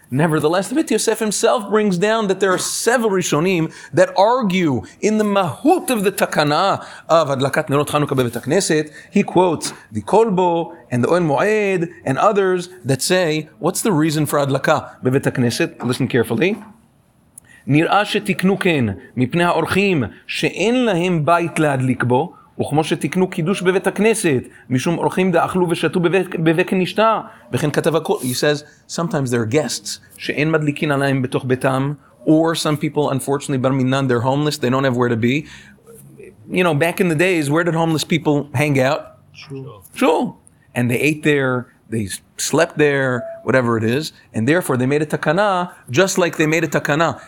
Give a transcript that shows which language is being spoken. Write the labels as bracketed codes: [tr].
[en] Nevertheless, the Bet Yosef himself brings down that there are several Rishonim that argue in the Mahut of the Takana of Hadlakat Nerot Chanukah Bevet Knesset. He quotes the Kolbo and the Oel Moed and others that say, what's the reason for Hadlakah Bevet Knesset? Listen carefully. [he] נראה שתקנו כן מפני האורחים שאין להם בית להדליק בו, וכמו שתקנו קידוש בבית הכנסת, משום אורחים דאכלו ושתו בבית כנשתה. וכן כתב הכל, [en] he says, sometimes there are guests [he] שאין מדליקין עליהם בתוך ביתם, [en] or some people, unfortunately, bar minan, they're homeless, they don't have where to be. You know, back in the days, where did homeless people hang out? Shul. And they ate there, they slept there, whatever it is, and therefore they made a takana, just like they made a takana.